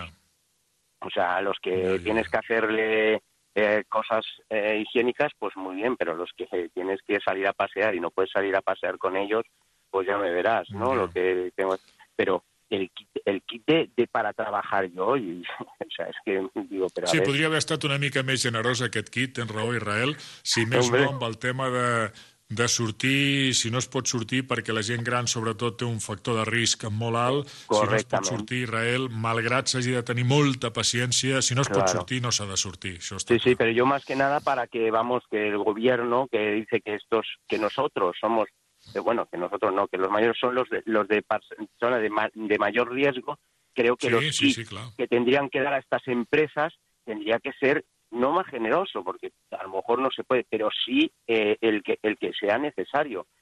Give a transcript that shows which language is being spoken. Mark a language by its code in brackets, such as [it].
[es] Yeah. O sea, a los que tienes que hacerle cosas higiénicas, pues muy bien, pero los que tienes que salir a pasear y no puedes salir a pasear con ellos, pues ya me verás, ¿no? Lo que tengo. Pero el kit de para trabajar yo, y, o sea, es que digo, pero [ca] sí, podria haver estat una mica més generosa aquest kit, tens raó, Israel, si més no amb el tema de sortir, si no es pot sortir, perquè la gent gran, sobretot, té un factor de risc molt alt. Si no es pot sortir, Israel, malgrat s'hagi de tenir molta paciència, si no es pot sortir, no s'ha de sortir. Això [es] sí, sí, pero yo más que nada para que, vamos, que el gobierno que dice que estos, que nosotros somos, bueno, que nosotros no, que los mayores son los de mayor riesgo, creo que sí, los sí, sí, claro. que tendrían que dar a estas empresas tendría que ser no más generoso, porque a lo mejor no se puede, pero sí el que sea necesario.